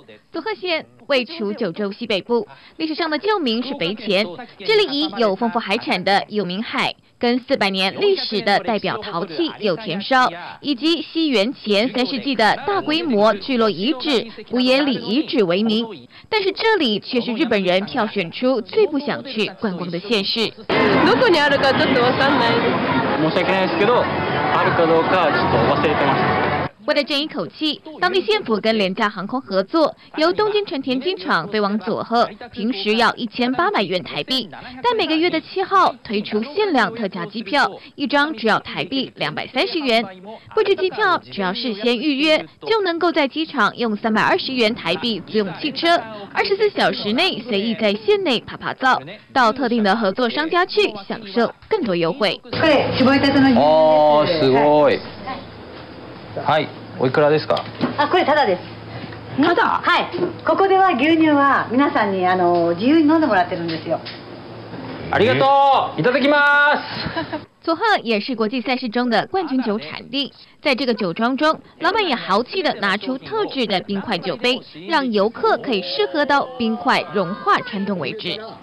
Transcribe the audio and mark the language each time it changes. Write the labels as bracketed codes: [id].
[zh] 佐贺县位处九州西北部，历史上的旧名是北前，这里以有丰富海产的有名海跟400年历史的代表陶器有田烧，以及西元前3世纪的大规模聚落遗址古野里遗址为名。但是这里却是日本人票选出最不想去观光的县市。 [ja] どこにあるかちょっとわかんない。申し訳ないですけど、あるかどうかちょっと忘れてます。 [zh] 为了争一口气，当地县府跟廉价航空合作，由东京成田机场飞往佐贺，平时要1800元台币，但每个月的7号推出限量特价机票，一张只要台币230元。不止机票，只要事先预约，就能够在机场用320元台币租用汽车，24小时内随意在县内爬爬灶，到特定的合作商家去享受更多优惠。 [ja] 哦，すごい。はい、おいくらですか？あ、これタダです。タダ？はい。ここでは牛乳は皆さんに自由に飲んでもらってるんですよ。ありがとう。いただきます。 [zh] 佐贺也是国际赛事中的冠军酒产地，在这个酒庄中，老板也豪气的拿出特制的冰块酒杯，让游客可以试喝到冰块融化穿洞为止。